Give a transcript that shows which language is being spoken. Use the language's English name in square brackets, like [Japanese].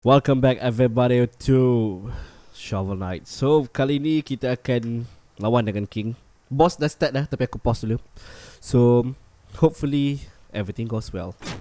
[English] Welcome back everybody to Shovel Knight. [Malay] So kali ni kita akan lawan dengan King. Boss dah start dah tapi aku pause dulu. [English] So hopefully everything goes well.